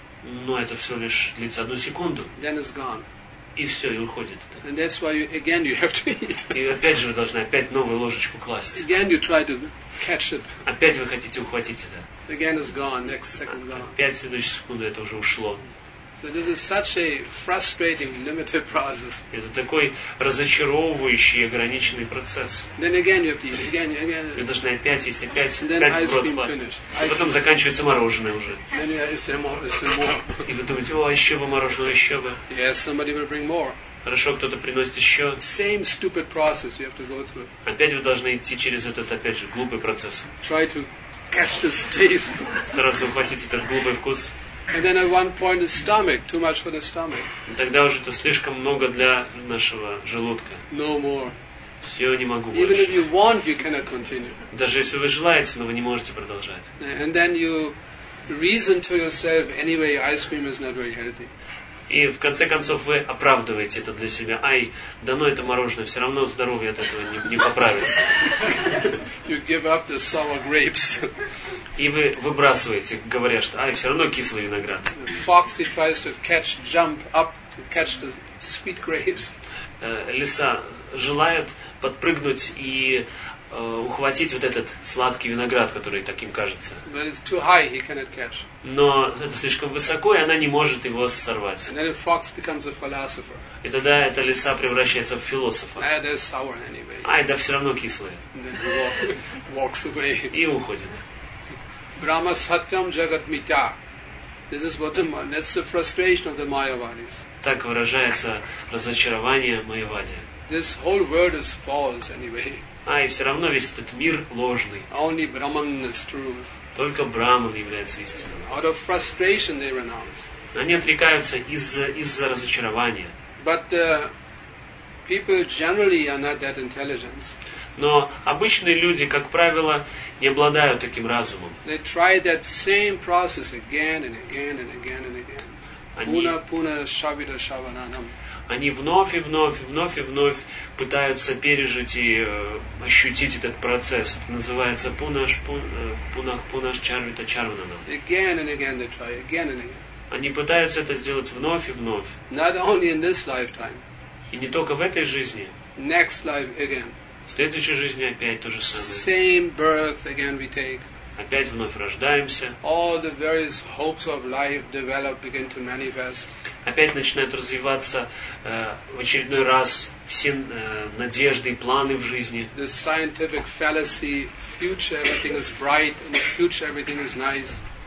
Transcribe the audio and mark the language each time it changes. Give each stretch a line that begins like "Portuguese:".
Russian: Но это все лишь длится 1 секунду.
English: Then it's gone.
Russian: И все, и уходит.
English: And that's why you have to eat.
Russian: И опять же вы должны опять новую ложечку класть.
English: Again you try to catch it.
Russian: Опять вы хотите ухватить это.
English: Again it's gone. Next second gone.
Russian: Опять в следующую секунду это уже ушло.
English: So this is such a frustrating, limited process.
Russian: Это такой разочаровывающий, ограниченный процесс.
English: Then again you have to eat. Again.
Russian: Вы должны опять есть, опять в рот класть. А потом заканчивается мороженое уже.
English: Then it's more.
Russian: И вы думаете, о, еще бы мороженое.
English: Yes, somebody will bring more.
Russian: Хорошо, кто-то приносит еще.
English: Same stupid process you have to go through.
Russian: Опять вы должны идти через этот, опять же, глупый процесс.
English: Try to catch this taste.
Russian: Стараться ухватить этот глупый вкус.
English: And then at one point the stomach, too much for the stomach.
Russian: И тогда уже это слишком много для нашего желудка.
English: No more.
Russian: Все, не могу
English: Even
Russian: больше.
English: Even if you want, you cannot continue.
Russian: Даже если вы желаете, но вы не можете продолжать.
English: And then you reason to yourself, anyway, ice cream is not very healthy.
Russian: И в конце концов вы оправдываете это для себя. Ай, дано это мороженое, все равно здоровье от этого не поправится.
English: You give up the sour grapes.
Russian: И вы выбрасываете, говоря, что ай, все равно кислый виноград.
English: Foxy tries to catch, jump up to catch the sweet grapes.
Russian: Лиса желает подпрыгнуть и ухватить вот этот сладкий виноград, который таким кажется.
English: But it's too high, he cannot catch.
Russian: Но это слишком высоко, и она не может его сорвать.
English: And then a fox becomes a philosopher.
Russian: И тогда эта лиса превращается в философа.
English: And it's sour anyway.
Russian: А, это все равно кислое.
English: And then he walks away.
Russian: И уходит.
Sanskrit: Brahma satyam jagat mitya.
English: This is what that's the frustration of the Mayavadis.
Russian: Так выражается разочарование Майявади.
English: This whole world is false anyway.
Russian: А, и все равно весь этот мир ложный.
English: Only Brahman is true.
Russian: Только Брахман является истинным.
English: Out of frustration they renounce.
Russian: Они отрекаются из-за разочарования.
English: But people generally are not that intelligent.
Russian: Но обычные люди, как правило, не обладают таким разумом.
English: They try that same process again and again and again and again.
Sanskrit: Puna puna shavita shavananam.
Russian: Они вновь и вновь, вновь и вновь пытаются пережить и ощутить этот процесс. Это называется пунах-пунах-чарвита-чарвананам. Они пытаются это сделать вновь и вновь.
English: Not only in this lifetime.
Russian: И не только в этой жизни.
English: Next life again.
Russian: В следующей жизни опять то же самое.
English: Same birth again we take.
Russian: Опять вновь рождаемся.
English: All the various hopes of life develop, begin to manifest.
Russian: Опять начинают развиваться в очередной раз все надежды и планы в жизни.
English: The scientific fallacy, future everything is bright and future everything is nice.